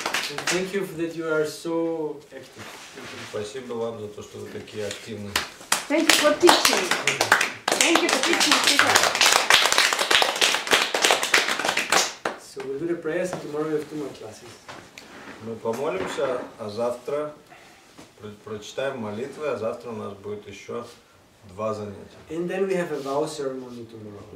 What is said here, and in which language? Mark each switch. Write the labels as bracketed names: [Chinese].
[English] And thank you for that you are so active. [Russian] Спасибо вам за то, что вы такие активны. [English] Thank you for teaching. Thank you for teaching. do the prayers and tomorrow we have two more classes. [Russian] Мы помолимся, а завтра прочитаем молитвы, а завтра у нас будет еще два занятия. [English] And then we have a vow ceremony tomorrow.